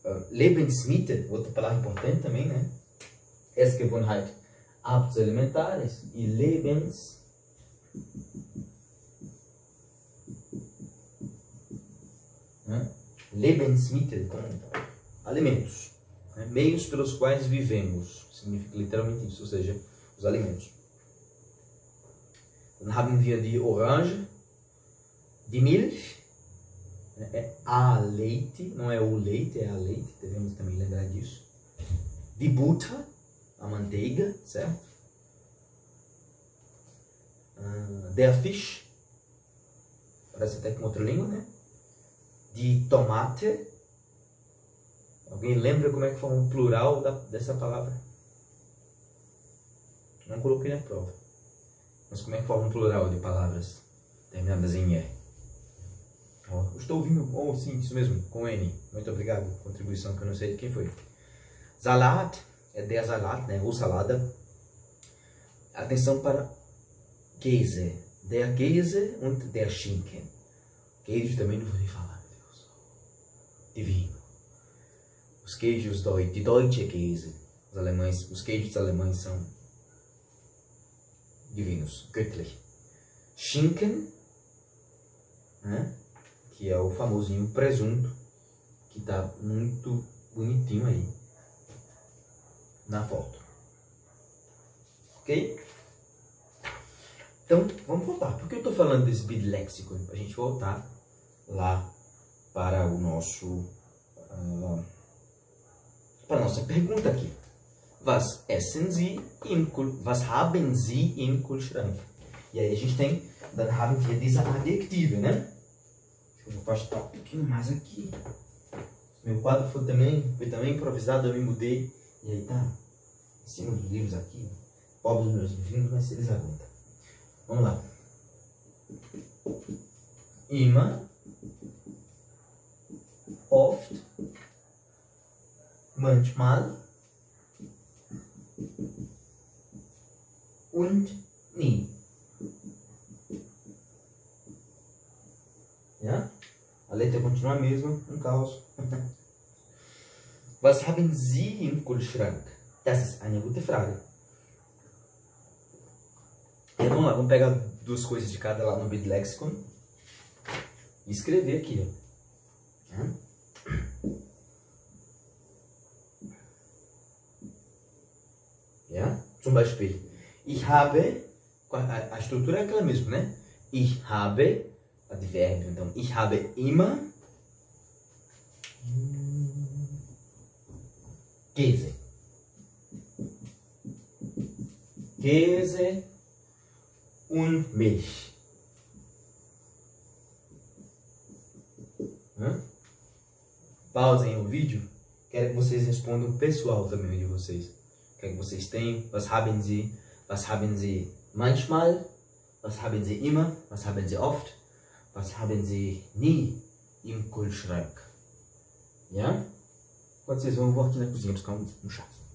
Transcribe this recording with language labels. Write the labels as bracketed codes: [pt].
[pt] Lebensmittel, outra palavra importante também, né? [de] Es Gewohnheit, [pt] hábitos alimentares e Lebens. Lebensmittel, como alimentos, né? Meios pelos quais vivemos, significa literalmente isso, ou seja, os alimentos. [de] Dann haben wir die Orange, die Milch. [pt] É a leite, não é o leite, é a leite, devemos também lembrar disso. [de] Die Butter, [pt] a manteiga, certo? [de] Der Fisch, [pt] parece até com outra língua, né? [de] Die Tomate, [pt] alguém lembra como é que forma o plural dessa palavra? Não coloquei na prova. Mas como é que forma o plural de palavras terminadas em E? Oh, estou ouvindo. Oh, sim, isso mesmo, com N. Muito obrigado. Contribuição que eu não sei de quem foi. Salat, é [de] der Salat, [pt] né? Ou salada. Atenção para Käse. [de] Der Käse und der Schinken. [pt] Queijo também não vou nem falar, meu Deus. Divino. Os queijos de [de] Deutsche Käse. [pt] Os queijos alemães são divinos. [de] Göttlich. [pt] Schinken. Né? Que é o famosinho presunto, que tá muito bonitinho aí na foto. Ok? Então, vamos voltar. Por que eu tô falando desse biléxico? Pra gente voltar lá para o nosso. Para a nossa pergunta aqui. [de] Was essen Sie im Kul Was haben Sie im Kühlschrank? [pt] E aí a gente tem. [de] Dann haben wir diese Adjektive, né? [pt] Vou afastar um pouquinho mais aqui. Meu quadro foi também improvisado, eu me mudei. E aí tá, em cima dos livros aqui. Pobres meus vizinhos, mas eles aguentam. Vamos lá. [de] Immer, oft, manchmal, und nie. [pt] A letra continua a mesma, um caos. [de] Was haben Sie im Kühlschrank? Das ist eine gute Frage. [pt] E vamos lá, vamos pegar duas coisas de cada lá no Bitlexicon e escrever aqui. [de] Zum Beispiel, ich habe, [pt] a estrutura é aquela mesma, né? [de] Ich habe, [pt] advérbio, então, [de] ich habe immer. Käse und Milch. [pt] Pausem o vídeo. Quero que vocês respondam pessoal também de vocês. Quero que vocês tenham. [de] Was haben Sie manchmal? Was haben Sie immer? Was haben Sie oft? Was haben Sie nie im Kühlschrank? Ja? [pt] Pode ser, vão aqui na cozinha buscar um chá.